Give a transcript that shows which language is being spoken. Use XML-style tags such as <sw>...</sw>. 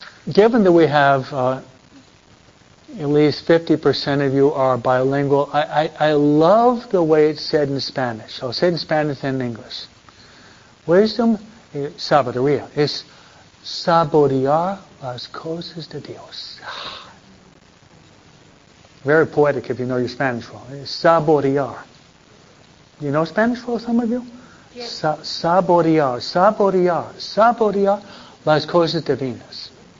<en>Given that we have... at least 50% of you are bilingual. I love the way it's said in Spanish. I'll say it in Spanish and in English.</en> <es>Wisdom, sabiduría, es saborear las cosas de Dios.</es> <en>Very poetic if you know your Spanish well. It's saborear. You know Spanish well, some of you? Yes.</en> <es>Saborear las cosas divinas.</es>